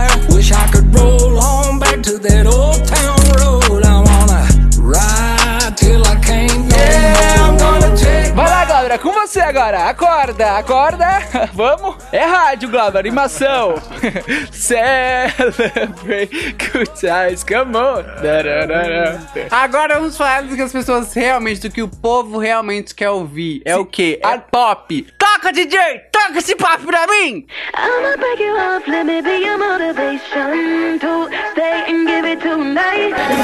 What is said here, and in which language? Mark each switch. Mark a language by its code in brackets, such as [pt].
[en] Wish I could roll on back to that old town road. I wanna ride till I can't no more. [pt] Vai lá, Glauber, com você agora. Acorda, acorda. Vamos. É rádio, Glauber, animação. [en] Celebrate good times, come on. [pt] Agora vamos falar do que as pessoas realmente, do que o povo realmente quer ouvir. É o quê? É pop. Toca, DJ, toca esse pop pra mim. [en] I'ma break you off, let me be your motivation to stay and give it tonight.